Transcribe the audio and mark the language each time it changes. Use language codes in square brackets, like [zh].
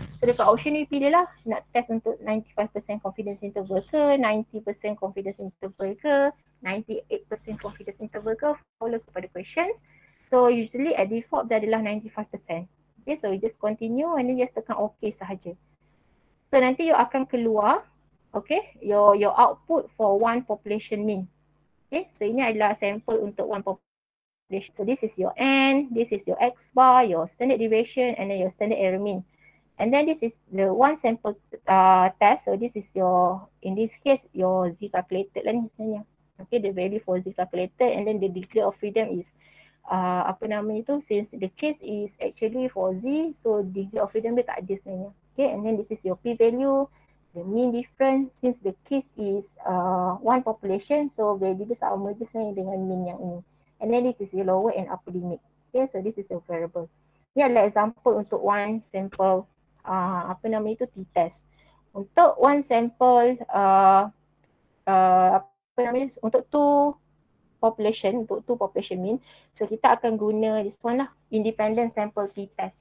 [ms] So dekat option ni pilih lah nak test untuk 95% confidence interval ke, 90% confidence interval ke, 98% confidence interval ke, follow kepada question. [en] So usually at default [ms] dia adalah [en] 95%. Okay, so you just continue and then just tekan okay sahaja. So nanti you akan keluar, okay, your output for one population mean. [ms] Okay, so ini adalah sample untuk one population. [en] So this is your n, this is your x bar, your standard deviation, and then your standard error mean. And then this is the one sample test. So this is your, in this case, your z calculated lah ni sebenarnya. Okay, the value for z calculated, and then the degree of freedom is [ms] apa namanya tu, [en] since the case is actually for z, so degree of freedom [ms] dia tak ada sebenarnya. [en] Okay, and then this is your p value, the mean difference, since the case is one population, so [ms] value dia sama je sebenarnya dengan mean yang ini. [en] And then this is your lower and upper limit. Okay, so this is your variable. [ms] Ini adalah example untuk one sample apa nama itu, t-test. Untuk one sample apa nama itu, untuk two population, untuk two population mean, so kita akan guna [en] this one [ms] lah, independent sample t-test.